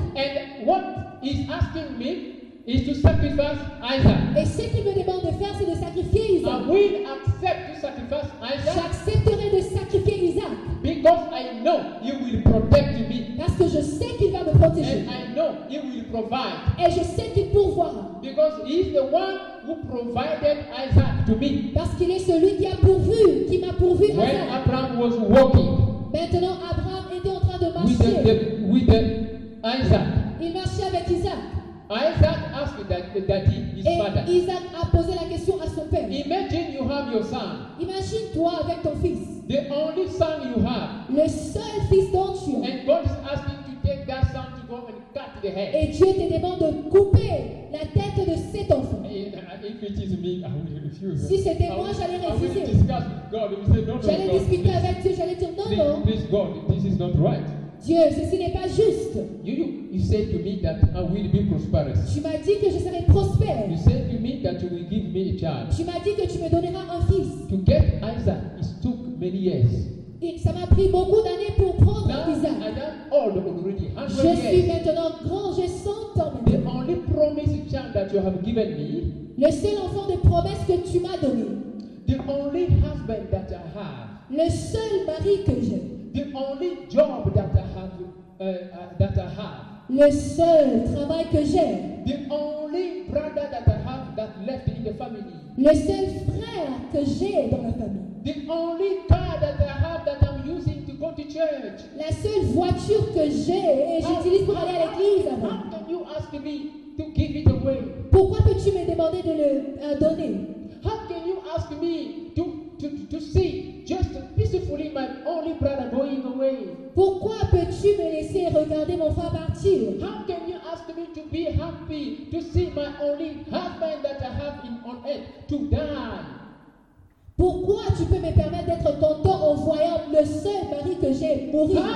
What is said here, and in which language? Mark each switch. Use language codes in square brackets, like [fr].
[en] And what is asking me is to sacrifice Isaac. [fr] Et ce qu'il me demande de faire, c'est de sacrifier Isaac. [en] I will accept to sacrifice Isaac. [fr] J'accepterai de sacrifier Isaac. [en] Because I know you will protect me. [fr] Parce que je sais qu'il va me protéger. [en] And I know you will provide. [fr] Et je sais qu'il pourvoira. [en] Because he is the one who provided Isaac to me. [fr] Parce qu'il est celui qui a pourvu, qui m'a pourvu Isaac. [en] When Abraham was walking. [fr] Maintenant, Abraham était en train de marcher. [en] With Isaac. [fr] Il marchait avec Isaac. [en] Isaac asked daddy, his [fr] et [en] father. [fr] Isaac a posé la question à son père. [en] Imagine you have your son. [fr] Imagine-toi avec ton fils. [en] The only son you have. [fr] Le seul fils dont tu as. [en] And God is asking to take that son to go and cut the head. [fr] Et Dieu te demande de couper la tête de cet enfant. [en] If it is me, I will refuse. [fr] Si c'était moi, j'allais refuser. [en] I will discuss with God. If you say, no, no, [fr] j'allais [en] God, [fr] discuter [en] this, [fr] avec Dieu. J'allais dire non, [en] please, [fr] non. [en] Please God, this is not right. [fr] Dieu, ceci n'est pas juste. [en] You said to me that I will be prosperous. [fr] Tu m'as dit que je serai prospère. [en] You said to me that you will give me a child. [fr] Tu m'as dit que tu me donneras un fils. [en] To get Isaac, it took many years. [fr] Et ça m'a pris beaucoup d'années pour prendre [en] now, Isaac. I am old already, [fr] je suis maintenant grand, j'ai 100 ans. [en] The only promised child that you have given me. [fr] Le seul enfant de promesse que tu m'as donné. [en] The only husband that I have. [fr] Le seul mari que j'ai. [en] The only job that I have. [fr] Le seul travail que j'ai. [en] The only brother that I have that left in the family. [fr] Le seul frère que j'ai dans la famille. [en] The only car that I have that I'm using to go to church. church. [fr] La seule voiture que j'ai et j'utilise pour aller à l'église. [en] How can you ask me to give it away? [fr] Pourquoi peux-tu me demander de le donner? [en] How can you ask me to see just peacefully my only brother going away? [fr] Pourquoi peux-tu me laisser regarder mon frère partir? [en] How can you ask me to be happy to see my only husband that I have in on earth to die? [fr] Pourquoi tu peux me permettre d'être content en voyant le seul mari que j'ai mourir?